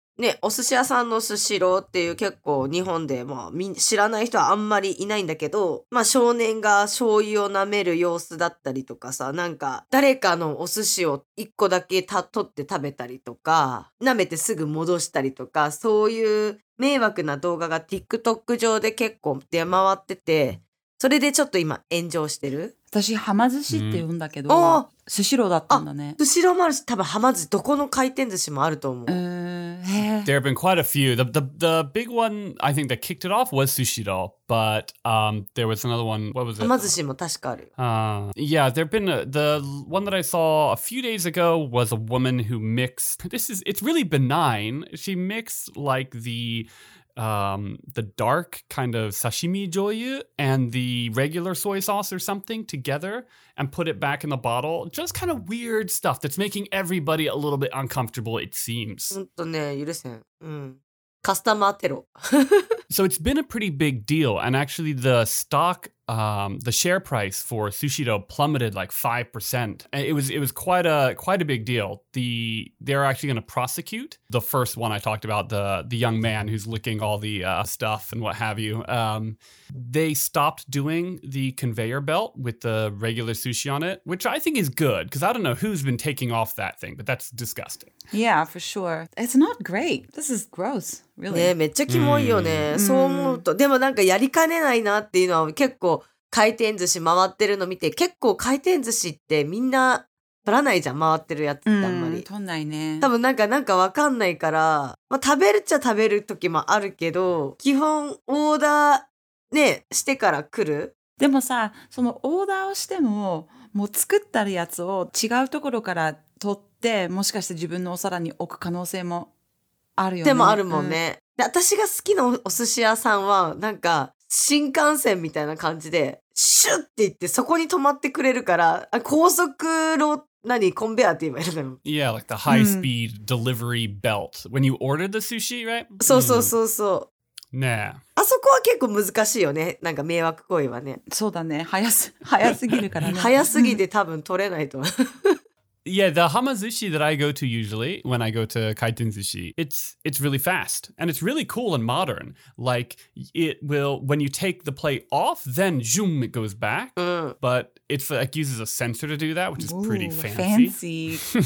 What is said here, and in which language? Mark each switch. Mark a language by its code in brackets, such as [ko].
[ja] ね、お寿司屋さんのスシローっていう結構日本で、まあ、知らない人はあんまりいないんだけど、まあ、少年が醤油を舐める様子だったりとかさ、なんか誰かのお寿司を一個だけ取って食べたりとか、舐めてすぐ戻したりとか、そういう迷惑な動画が TikTok 上で結構出回ってて、それでちょっと今炎上してる。私はま寿司って言うんだけど、うん、スシローだったんだね。スシローもあるし、多分はま寿司どこの回転寿司もあると思う。 [en] There have been quite a few. The big one I think that kicked it off was Sushiro, but there was another one. What was it? [ja] Hamazushi も確かある。 [en] Yeah, there have been the one that I saw a few days ago was a woman who mixed. It's really benign. She mixed like the dark kind of sashimi joyu and the regular soy sauce or something together and put it back in the bottle. Just kind of weird stuff that's making everybody a little bit uncomfortable, it seems. [ja] 本当ね、許せん。カスタマーテロ。 [en] So it's been a pretty big deal. And actually the stock, the share price for Sushiro plummeted like 5%. It was quite a big deal. They're actually going to prosecute the first one I talked about, the young man who's licking all the stuff and what have you. They stopped doing the conveyor belt with the regular sushi on it, which I think is good because I don't know who's been taking off that thing, but that's disgusting. Yeah, for sure. It's not great. This is gross. Really? [ja] ね、めっちゃキモいよね、そう思うと。でもなんかやりかねないなっていうのは、結構回転寿司回ってるの見て、結構回転寿司ってみんな取らないじゃん、回ってるやつってあんまり取んないね。多分なんか分かんないから、まあ、食べるっちゃ食べる時もあるけど、基本オーダーねしてから来る。でもさ、そのオーダーをしてももう作ったるやつを違うところから取って、もしかして自分のお皿に置く可能性もあるよね、でもあるもんね、で私が好きなお寿司屋さんはなんか新幹線みたいな感じでシュッって言ってそこに止まってくれるから、高速路何コンベアって言えばいいのかな。 [en] Yeah, like the high speed delivery belt when you order the sushi, right? [ja] そうそうそうそう、ね、あそこは結構難しいよね、なんか迷惑行為はね。そうだね、早すぎるからね。早すぎて多分取れないと。 [en] Yeah, the hamazushi that I go to usually when I go to kaiten sushi, it's really fast and it's really cool and modern. Like it will, when you take the plate off, then zoom, it goes back. But it's like uses a sensor to do that, which is pretty fancy.